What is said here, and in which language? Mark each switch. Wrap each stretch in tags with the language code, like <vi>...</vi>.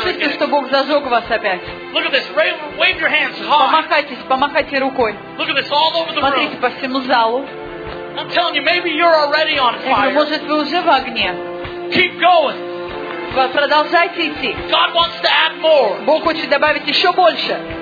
<ru>Кто чувствует, что Бог зажег вас опять?</ru> <en>Look at this. Wave your hands high.</en> <ru>Помахайтесь, помахайте рукой.</ru> <en>Look at this. All over the room.</en> <ru>Смотрите по всему залу.</ru> <en>I'm telling you, maybe you're already on fire.</en> <ru>Я говорю, может, вы уже в огне.</ru> <en>Keep going.</en> <ru>Продолжайте идти.</ru> <en>God wants to add more.</en> <ru>Бог хочет добавить еще больше.</ru>